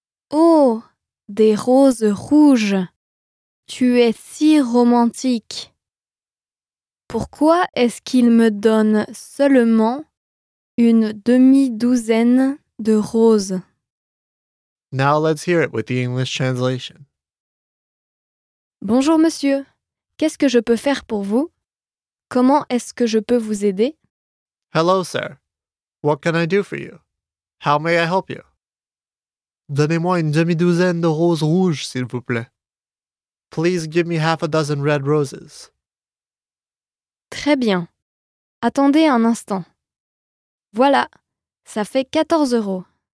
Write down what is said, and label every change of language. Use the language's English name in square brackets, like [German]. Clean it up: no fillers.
[French] Oh, des roses rouges. Tu es si romantique. Pourquoi est-ce qu'il me donne seulement une demi-douzaine de roses? [English] Now let's hear it with the English translation. [French] Bonjour monsieur, qu'est-ce que je peux faire pour vous? Comment est-ce que je peux vous aider? [English] Hello sir, what can I do for you? How may I help you? [French] Donnez-moi une demi-douzaine de roses rouges, s'il vous plaît. [English] Please give me half a dozen red roses. [French] Très bien. Attendez un instant. Voilà, ça fait 14 euros.